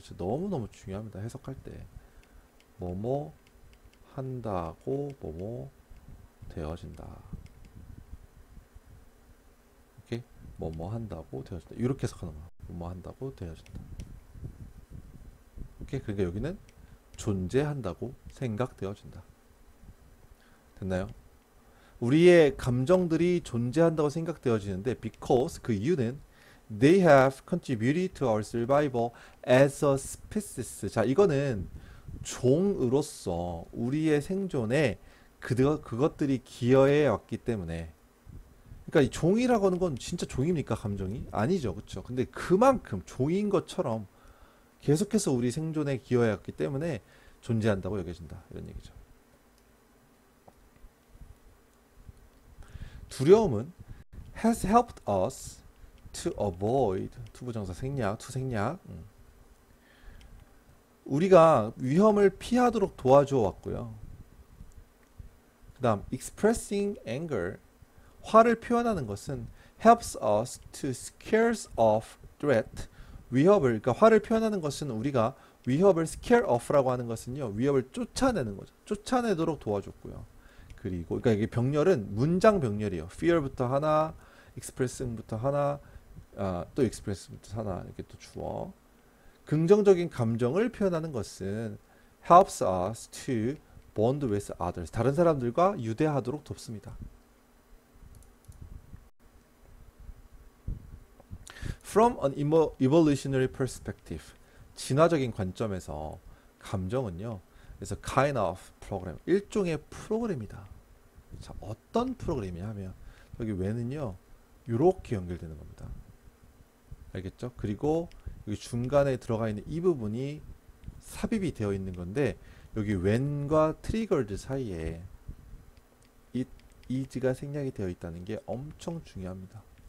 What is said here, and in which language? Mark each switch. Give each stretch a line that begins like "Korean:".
Korean: 진짜 너무너무 중요합니다. 해석할 때. 뭐뭐, 한다고 뭐뭐 되어진다. 오케이? 뭐뭐 한다고 되어진다. 이렇게 해석하는 거야. 뭐뭐 한다고 되어진다. 오케이? 그러니까 여기는 존재한다고 생각되어진다. 됐나요? 우리의 감정들이 존재한다고 생각되어지는데
English: because
Korean: 그 이유는
English: they have contributed to our survival as a species.
Korean: 자, 이거는 종으로서 우리의 생존에 그것들이 기여해 왔기 때문에. 그러니까 이 종이라고 하는 건 진짜 종입니까? 감정이? 아니죠. 그렇죠. 근데 그만큼 종인 것처럼 계속해서 우리 생존에 기여해 왔기 때문에 존재한다고 여겨진다. 이런 얘기죠. 두려움은
English: has helped us to avoid
Korean: 투부정사 생략, 투생략. 우리가 위험을 피하도록 도와주어 왔고요. 그다음
English: expressing anger
Korean: 화를 표현하는 것은
English: helps us to scare off threat
Korean: 위협을 그러니까 화를 표현하는 것은 우리가 위협을 scare off라고 하는 것은요. 위협을 쫓아내는 거죠. 쫓아내도록 도와줬고요. 그리고 그러니까 이게 병렬은 문장 병렬이에요. fear부터 하나, expressing부터 하나, 아, 또 expressing부터 하나 이렇게 또 주어. 긍정적인 감정을 표현하는 것은
English: helps us to bond with others.
Korean: 다른 사람들과 유대하도록 돕습니다.
English: From an evolutionary perspective,
Korean: 진화적인 관점에서 감정은요, 그래서
English: kind of program,
Korean: 일종의 프로그램이다. 자, 어떤 프로그램이냐면 여기 when은요, 이렇게 연결되는 겁니다. 알겠죠? 그리고 여기 중간에 들어가 있는 이 부분이 삽입이 되어 있는 건데 여기 when과 triggered 사이에 is가 생략이 되어 있다는 게 엄청 중요합니다.